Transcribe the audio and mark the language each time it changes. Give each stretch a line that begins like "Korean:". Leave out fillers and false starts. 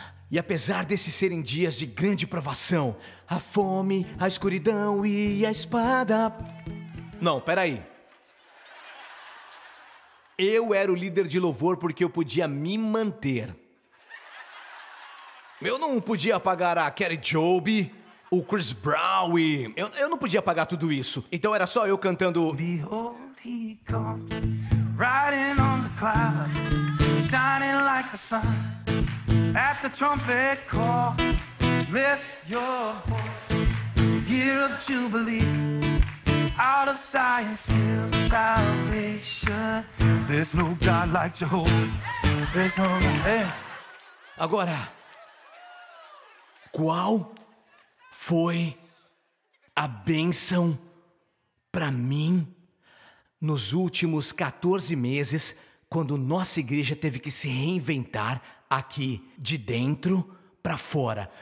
Portuguese: E apesar desses serem dias de grande provação, a fome, a escuridão e a espada. Não, peraí. Eu era o líder de louvor porque eu podia me manter. Eu não podia pagar a Kelly Joby, o Chris Brown. Eu não podia pagar tudo isso. Então era só eu cantando.
English: Behold, he comes, riding on the clouds, shining like the sun. At the trumpet call, lift your voice. It's a year of jubilee. Out of science is salvation. There's no God like Jehovah. There's no God.
Portuguese: Agora, qual foi a bênção pra mim nos últimos 14 meses, quando nossa igreja teve que se reinventar aqui de dentro pra fora?